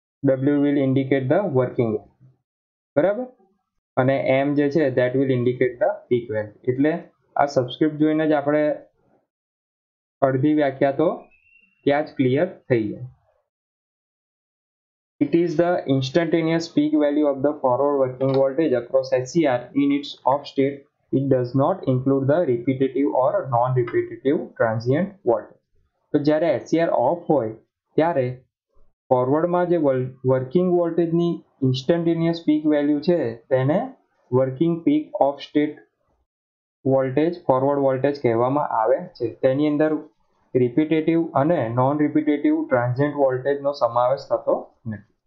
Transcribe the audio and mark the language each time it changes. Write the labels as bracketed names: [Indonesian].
[English] W will indicate the working area. બરાબર. [Gujarati] અને M જે છે [English] that will indicate the peak value. [Gujarati] એટલે આ સબસ્ક્રિપ્ટ જોઈને જ આપણે અડધી વ્યાખ્યા તો ત્યાં જ ક્લિયર થઈ જાય. [English] It is the instantaneous peak value of the forward working voltage across SCR in its off state. It does not include the repetitive or non-repetitive transient voltage. [Gujarati] તો જ્યારે SCR ઓફ હોય ત્યારે ફોરવર્ડમાં જે વર્કિંગ વોલ્ટેજની instantaneous peak value છે તેને working peak of state voltage forward voltage કહેવામાં આવે છે. તેની અંદર રિપીટેટિવ અને નોન રિપીટેટિવ ટ્રાન્ઝિયન્ટ વોલ્ટેજનો સમાવેશ થતો નથી.